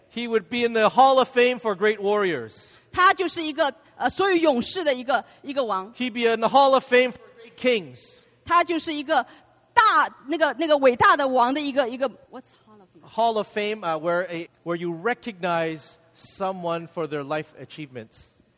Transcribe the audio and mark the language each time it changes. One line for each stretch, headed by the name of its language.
English: He would be in the Hall of Fame for great warriors.
Chinese: 他就是一个所有勇士的一个王。
English: He'd be in the Hall of Fame for great kings.
Chinese: 他就是一个大那个伟大的王的一个
English: What's Hall of Fame? Hall of Fame where you recognize someone for their life achievements.